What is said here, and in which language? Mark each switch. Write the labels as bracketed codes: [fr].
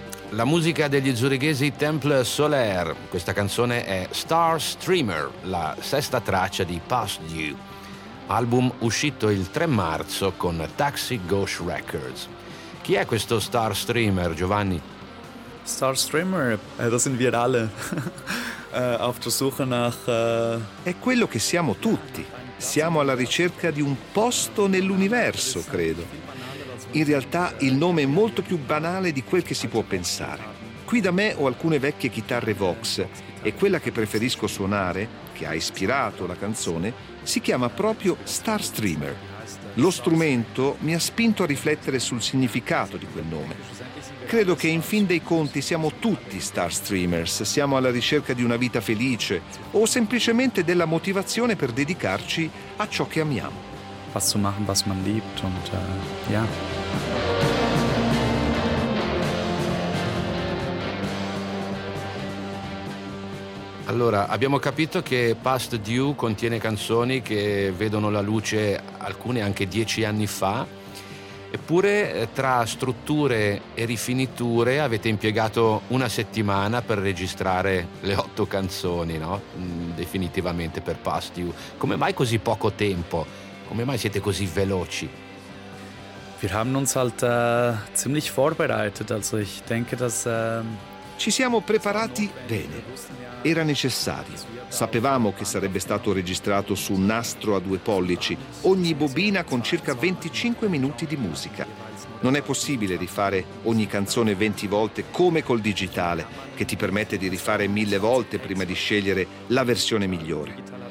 [it] La musica degli zurichesi Temple Solaire, questa canzone è Star Streamer, la sesta traccia di Past Due, album uscito il 3 marzo con Taxi Gauche Records. Chi è questo Star Streamer, Giovanni? [de] Star Streamer, das sind wir alle. auf der Suche nach... [it] È quello che siamo tutti. Siamo alla ricerca di un posto nell'universo, credo. In realtà il nome è molto più banale di quel che si può pensare. Qui da me ho alcune vecchie chitarre Vox e quella che preferisco suonare, che ha ispirato la canzone, si chiama proprio Star Streamer. Lo strumento mi ha spinto a riflettere sul significato di quel nome. Credo che in fin dei conti siamo tutti Star Streamers, siamo alla ricerca di una vita felice o semplicemente della motivazione per dedicarci a ciò che amiamo. [de] Was zu machen, was man liebt und ja. [it] Allora, abbiamo capito che Past Due contiene canzoni che vedono la luce alcune anche 10 anni fa. Eppure tra strutture e rifiniture avete impiegato una settimana per registrare le 8 canzoni, no? Definitivamente per Past You. Come mai così poco tempo? Come mai siete così veloci? [de] Wir haben uns halt ziemlich vorbereitet, also ich denke, dass [it] ci siamo preparati bene. Era necessario. Sapevamo che sarebbe stato registrato su un nastro a 2 pollici, ogni bobina con circa 25 minuti di musica. Non è possibile rifare ogni canzone 20 volte come col digitale, che ti permette di rifare 1000 volte prima di scegliere la versione migliore.